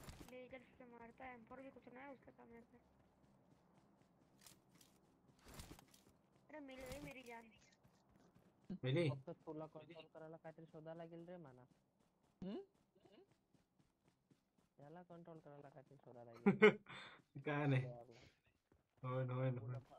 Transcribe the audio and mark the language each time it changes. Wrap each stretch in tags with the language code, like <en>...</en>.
<hi>Laser से मारता है, एम4 भी कुछ ना है उसके सामने से। अरे मिल गई मेरी जान, मिली</hi> <mr>फक्त तोला कंट्रोल करायला काहीतरी शोधा लागेल रे माना। याला कंट्रोल करायला काहीतरी शोधा लागेल काय नाही। होय होय होय,</mr>